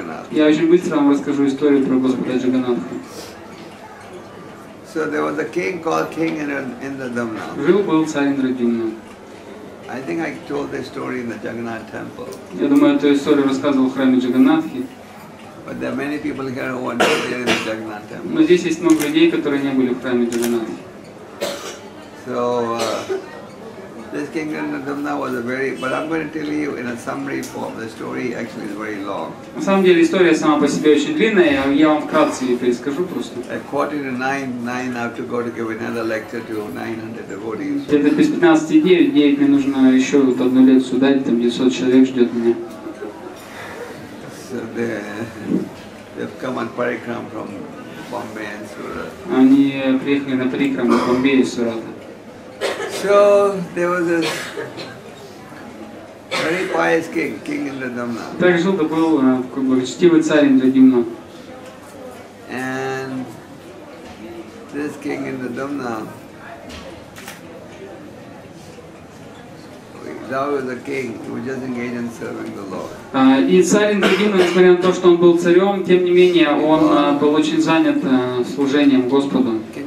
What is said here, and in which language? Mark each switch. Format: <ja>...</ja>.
<ru>Я очень быстро вам расскажу историю про Господа Джаганнатха.</ru> <en>So there was a king called King Indradumna.</en> <ru>Жил был царь Индрадюмна.</ru> <en>I think I told this story in the Jagannath temple.</en> <ru>Я думаю, эту историю рассказывал в храме Джаганнатхи.</ru> <en>But there are many people here who are not here in the Jagannath temple.</en> <ru>Но здесь есть много людей, которые не были в храме Джаганнатхи.</ru> <en>So this King Indradumna was a very, but I'm going to tell you in a summary form. The story actually is very long.</en> <ru>На самом деле история сама по себе очень длинная, я вам вкратце ее перескажу просто.</ru> <en>At 9:15 I have to go to give another lecture to 900 devotees.</en> <ru>Где-то без 15 дней, мне нужно еще вот одну лекцию дать, там 900 человек ждет меня.</ru> <en>So they've come on parikram from Bombay and Surat.</en> <ru>Они приехали на парикрам из Бомбея и Сурата.</ru> <en>So there was a very pious king, King Indradumna.</en> <ru>Так жил да был какой благочестивый царь Индрадюмна.</ru> <en>And this King Indradumna, though was a king, he was just engaged in serving the Lord.</en> <ru>И царь Индрадюмна, несмотря на то, что он был царем, тем не менее он был очень занят служением Господу.</ru>